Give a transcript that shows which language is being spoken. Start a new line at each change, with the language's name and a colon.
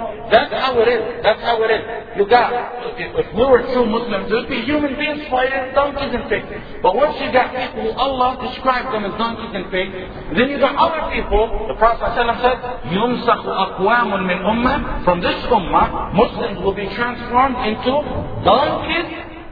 English: That's how it is. You got, if we were true Muslims, there'd be human beings fighting donkeys and pigs. But once you got people who Allah described them as donkeys and pigs, then you got other people. The Prophet said,
Arabic: يُمْسَخُ أَقْوَامٌ مِنْ أُمَّةٍ.
English: From this ummah, Muslims will be transformed into donkeys.